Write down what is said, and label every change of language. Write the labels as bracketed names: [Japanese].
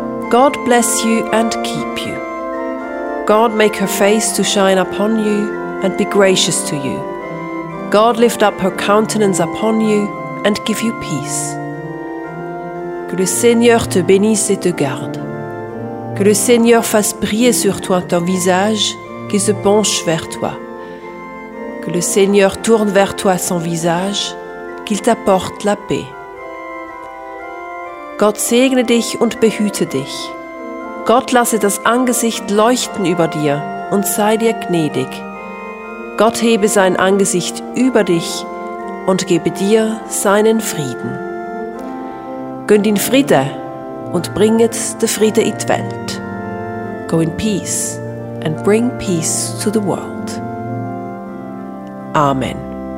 [English] God bless you and keep you. God make her face to shine upon you and be gracious to you. God lift up her countenance upon you and give you peace. [French] Que le Seigneur te bénisse et te garde. Que le Seigneur fasse briller sur toi ton visage qui se penche vers toi. Que le Seigneur tourne vers toi son visage, qu'il t'apporte la paix. [German] Gott segne dich und behüte dich. Gott lasse das Angesicht leuchten über dir und sei dir gnädig. Gott hebe sein Angesicht über dich und gebe dir seinen Frieden. Gönnt in Friede und bringet den Friede in die Welt. [English] Go in peace and bring peace to the world. Amen.